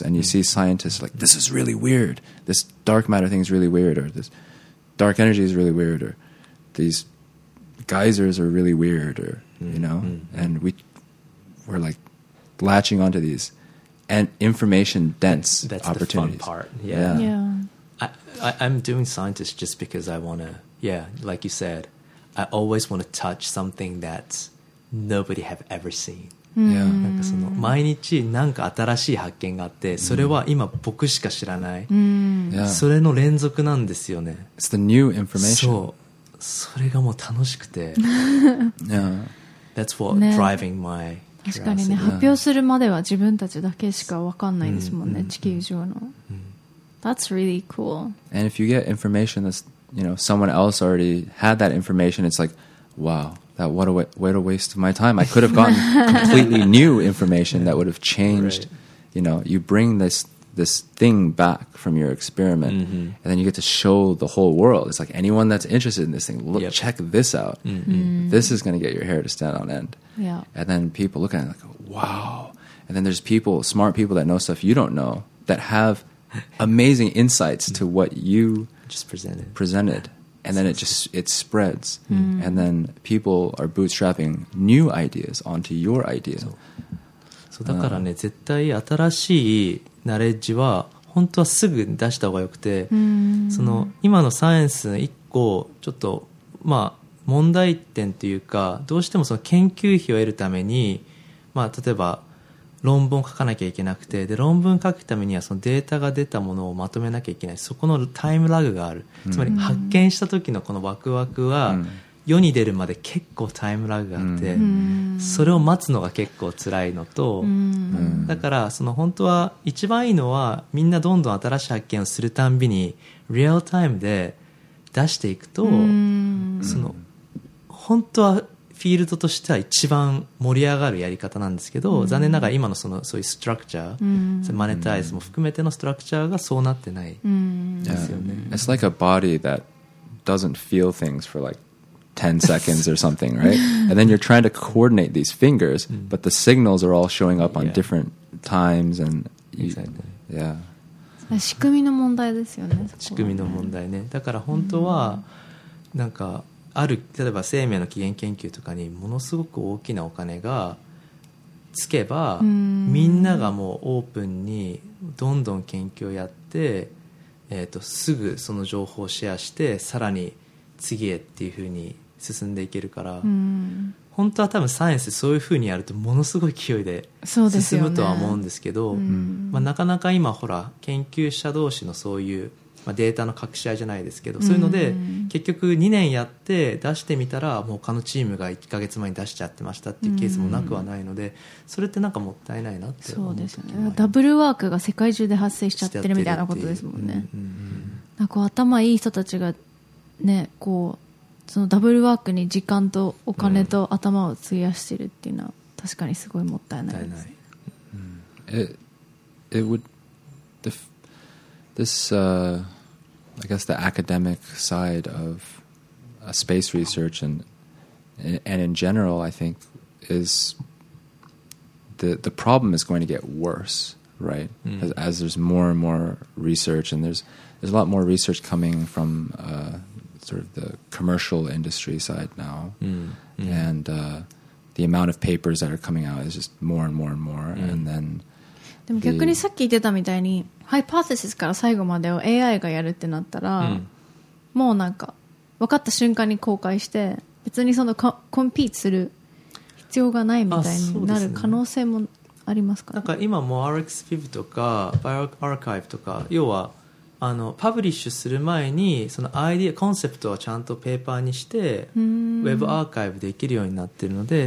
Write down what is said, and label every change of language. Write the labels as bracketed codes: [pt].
[en] And you see scientists like, this is really weird. This dark matter thing is really weird, or this dark energy is really weird, or these geysers are really weird, or, you know, and we're like,latching onto these and information dense that's opportunities. The fun part. I'm doing scientists just because I want to, yeah, like you said, I always want to touch something that nobody have ever seen. Yeah. [ja] なんかその毎日なんか新しい発見があって、それは今僕しか知らない、それの連続なんですよね。 [en] It's the new information. [ja] そう、それがもう楽しくて、 [en] Yeah. That's what、ね、driving my、 [ja] 確かにね、発表するまでは自分たちだけしか分かんないですもんね、地球上の。 [en] That's really cool. And if you get information that's, you know, someone else already had that information, it's like, wow, that what a waste of my time. I could have gotten completely new information that would have changed, you know. You bring this thing back from your experiment, and then you get to show the whole world. It's like, anyone that's interested in this thing, look, check this out. This is going to get your hair to stand on end. Yeah. And then people look at it like, wow. And then there's people, smart people that know stuff you don't know, that have amazing insights to what you just presented. And then it spreads. Mm-hmm. And then people are bootstrapping new ideas onto your idea. [ja] So だからね、絶対新しいナレッジは本当はすぐ出した方がよくて、その今のサイエンスの一個ちょっとまあ問題点というか、どうしてもその研究費を得るために、まあ例えば論文を書かなきゃいけなくて、で論文書くためにはそのデータが出たものをまとめなきゃいけない、そこのタイムラグがある、つまり発見した時のこのワクワクは世に出るまで結構タイムラグがあって、それを待つのが結構辛いのと、だからその本当は一番いいのは、みんなどんどん新しい発見をするたんびにリアルタイムで出していくと、その本当はフィールドとしては一番盛り上がるやり方なんですけど、残念ながら今のそのそういうストラクチャー、マネタイズも含めてのストラクチャーがそうなってないですよね。 [en] It's like a body that doesn't feel things for like 10 seconds or something, right? And then you're trying to coordinate these fingers, but the signals are all showing up on different times and you, exactly. Yeah. [ja] 仕組みの問題ですよね。仕組みの問題ね。だから本当はなんかある例えば生命の起源研究とかにものすごく大きなお金がつけば、みんながもうオープンにどんどん研究をやって、すぐその情報をシェアして、さらに次へっていう風に進んでいけるから、本当は多分サイエンスそういう風にやるとものすごい勢いで進むとは思うんですけど、なかなか今ほら研究者同士のそういう、まあ、データの隠し合いじゃないですけど、そういうので結局2年やって出してみたら、もう他のチームが1ヶ月前に出しちゃってましたっていうケースもなくはないので、それってなんかもったいないなって思う。そうですね、ダブルワークが世界中で発生しちゃってるみたいなことですもんね。なんかこう頭いい人たちがね、こうそのダブルワークに時間とお金と頭を費やしてるっていうのは確かにすごいもったいないです。 [en] It would this I guess the academic side of space research and in general I think is the problem is going to get worse, right? Mm. As there's more and more research and there's a lot more research coming from sort of the commercial industry side now. Mm. And the amount of papers that are coming out is just more and more and more. Mm. And then [ja] でも逆にさっき言ってたみたいにハイパーセシスから最後までを AI がやるってなったら、うん、もうなんか分かった瞬間に公開して別にそのコンピートする必要がないみたいになる可能性もありますか、ね、なんか今も RxPIV とか BioArchive とか要はあのパブリッシュする前にそのアイデアコンセプトはちゃんとペーパーにしてウェブアーカイブできるようになってるので、